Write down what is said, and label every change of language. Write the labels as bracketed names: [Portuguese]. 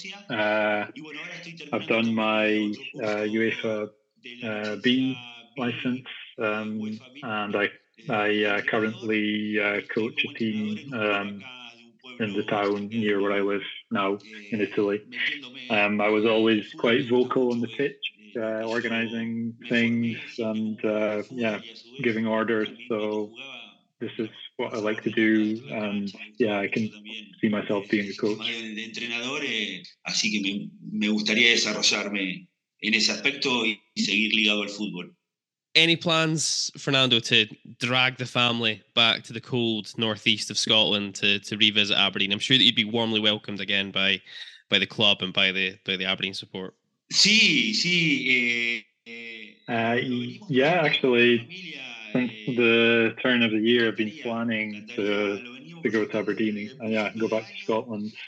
[English] I've done my UEFA B license, and I currently coach a team in the town near where I live now in Italy. I was always quite vocal on the pitch, organizing things and giving orders. So this is what I like to do, and I can see myself being a coach. [Spanish] Así que me gustaría desarrollarme en ese aspecto y seguir ligado al fútbol. [English] Any plans, Fernando, to drag the family back to the cold northeast of Scotland to revisit Aberdeen? I'm sure that you'd be warmly welcomed again by the club and by the Aberdeen support. [Spanish] Sí. [English] Actually, since the turn of the year, I've been planning to go to Aberdeen and go back to Scotland.